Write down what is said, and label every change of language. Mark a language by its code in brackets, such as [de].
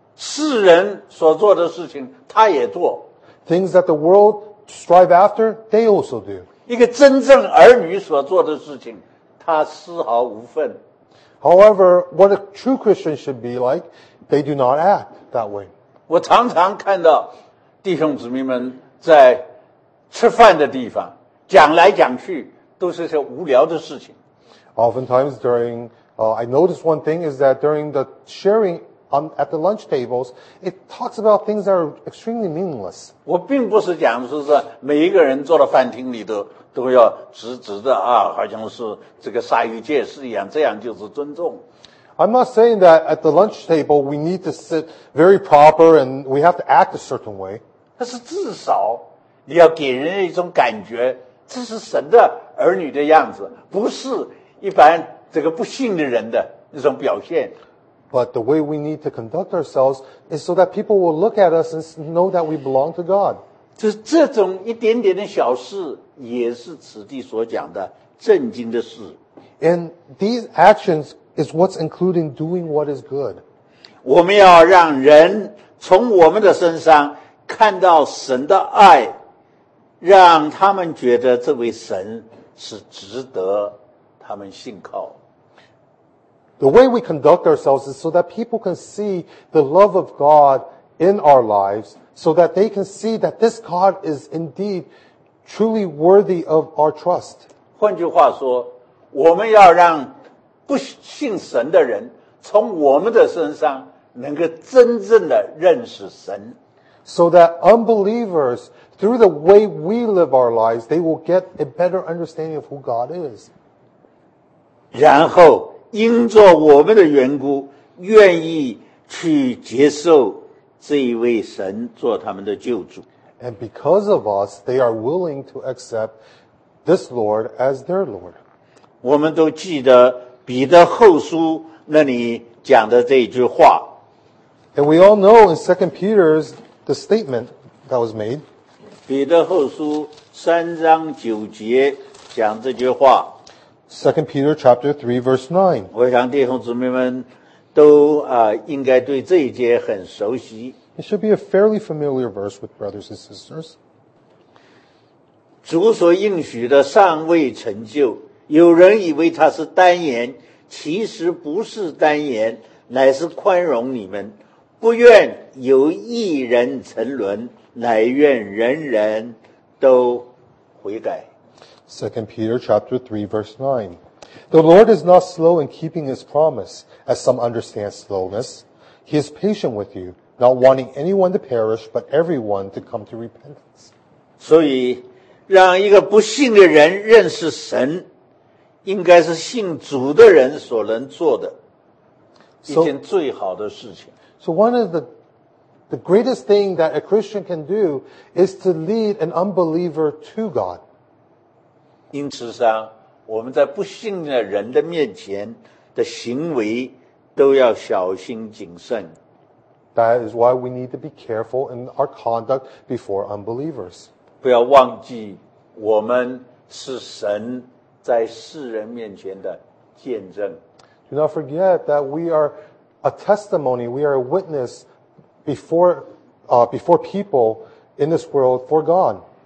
[zh] 世人所做的事情他也做。 [en] Things that the world strive after, they also do. [zh] 一个真正儿女所做的事情他丝毫无份。 [en] However, what a true Christian should be like, they do not act that way. [zh] 我常常看到弟兄姊妹们在吃饭的地方讲来讲去都是些无聊的事情。 [en] Oftentimes during, I noticed one thing is that during the sharing on, at the lunch tables, it talks about things that are extremely meaningless. [zh] 我并不是讲说是每一个人坐到饭厅里都要直直的啊，好像是这个鲨鱼戒式一样，这样就是尊重。 [en] I'm not saying that at the lunch table we need to sit very proper and we have to act a certain way. [zh] 但是至少你要给人一种感觉，这是神的儿女的样子，不是一般这个不信的人的那种表现。 [en] But the way we need to conduct ourselves is so that people will look at us and know that we belong to God. [zh] 这种一点点的小事也是此地所讲的正经的事。 [en] And these actions is what's including doing what is good. [zh] 我们要让人从我们的身上看到神的爱，让他们觉得这位神是值得他们信靠。 [en] The way we conduct ourselves is so that people can see the love of God in our lives, so that they can see that this God is indeed truly worthy of our trust. [zh] 换句话说，我们要让不信神的人从我们的身上能够真正的认识神。 [en] So that unbelievers, through the way we live our lives, they will get a better understanding of who God is. [zh] 然后因着我们的缘故愿意去接受这一位神做他们的救主。 [en] And because of us, they are willing to accept this Lord as their Lord. [zh] 我们都记得彼得后书那里讲的这句话。 [en] And we all know in 2 Peter's the statement that was made. [zh] 彼得后书三章九节讲这句话。 [en] 2 Peter chapter 3 verse 9. [zh] 我想弟兄姊妹们都应该对这一节很熟悉。 [en] It should be a fairly familiar verse with brothers and sisters. [zh] 主所应许的尚未成就，有人以为他是单言，其实不是单言，乃是宽容你们。不愿有一人沉沦，乃愿人人都悔改。 [en] 2 Peter chapter 3 verse 9. The Lord is not slow in keeping his promise, as some understand slowness. He is patient with you, not wanting anyone to perish, but everyone to come to repentance. [zh] 所以, 让一个不信的人认识神, 应该是信主的人所能做的一件最好的事情。 [en] So one of the greatest thing that a Christian can do is to lead an unbeliever to God. [zh] 因此上, 我们在不信的人的面前的行为都要小心谨慎。 [en] That is why we need to be careful in our conduct before unbelievers. [zh] 不要忘记我们是神在世人面前的见证。 [en] Do not forget that we are a testimony, we are a witness before people in this world for God.